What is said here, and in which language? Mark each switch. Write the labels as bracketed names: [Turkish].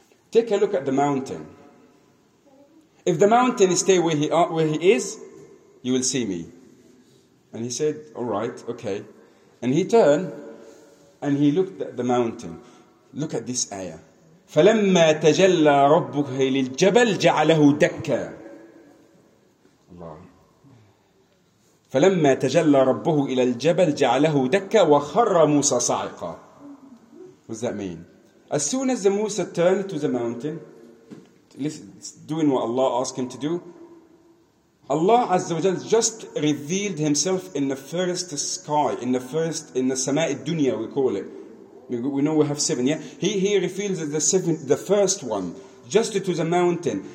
[English] Take a look at the mountain. If the mountain stay where he is, you will see me. And he said, all right, okay. And he turned and he looked at the mountain. Look at this ayah. [Arabic] فلما تجلى ربه للجبل جعله دكا. الله. فلما تجلى ربه إلى الجبل جعله دكا وخر موسى صاعقا. [English] What's that mean? As soon as the Musa turned to the mountain, doing what Allah asked him to do, Allah Azza wa Jal just revealed himself in the first sky, in the Sama' al-Dunya, we call it. We know we have seven, yeah? He reveals the seven, the first one, just to the mountain.